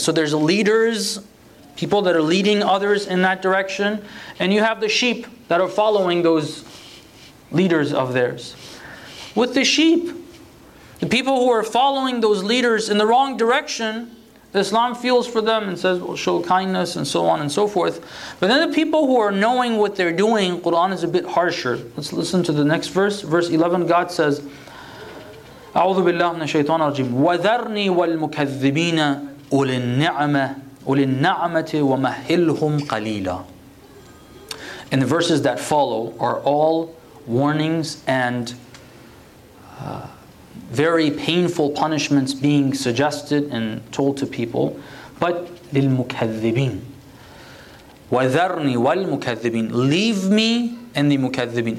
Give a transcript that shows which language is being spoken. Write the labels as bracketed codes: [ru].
[en] So there's leaders, people that are leading others in that direction, and you have the sheep that are following those leaders of theirs. With the sheep, the people who are following those leaders in the wrong direction, Islam feels for them and says, well, show kindness and so on and so forth. But then the people who are knowing what they're doing, Quran is a bit harsher. Let's listen to the next verse. Verse 11, God says, [ar] أعوذ بالله من الشيطان الرجيم وذرني والمكذبين أولي النعمة ومهلهم قليلا. [en] And the verses that follow are all warnings and very painful punishments being suggested and told to people. But [ar] للمكذبين وذرني والمكذبين, [en] leave me and the مكذبين.